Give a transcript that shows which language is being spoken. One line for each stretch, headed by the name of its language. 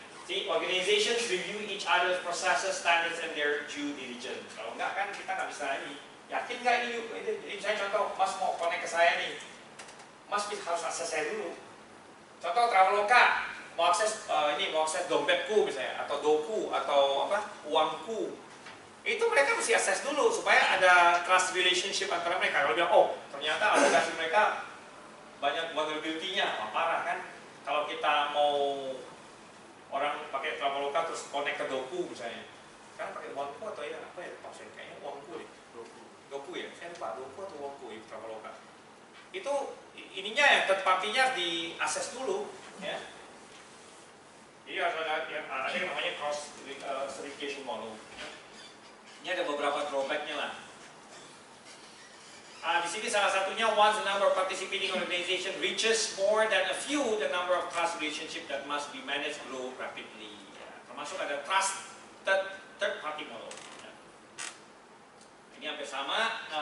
English: See, organizations review each other's processes, standards, and their due diligence.
Indonesian: Kalau enggak kan kita nggak bisa ini. Yakin nggak ini? Jadi saya contoh, Mas mau connect ke saya nih. Mas harus akses saya dulu. Contoh Traveloka mau akses dompetku misalnya, atau doku atau apa uangku. Itu mereka mesti akses dulu supaya ada trust relationship antara mereka. Kalau bilang, oh ternyata aplikasi mereka banyak vulnerability-nya, wah parah kan. Kalau kita mau orang pakai Traveloka terus connect ke doku misalnya, kan pakai uangku atau ya apa ya, maksudnya kayaknya uangku deh, doku ya, saya lupa doku atau uangku ya Traveloka. Itu ininya ya, third party-nya di akses dulu ya. Jadi ada yang namanya cross certification model. Ini ada beberapa drawback-nya lah. Di sini salah satunya,
English: once the number of participating organization reaches more than a few, the number of trust relationship that must be managed grow rapidly.
Indonesian: Ya, termasuk ada trusted third party model. Ya. Ini hampir sama.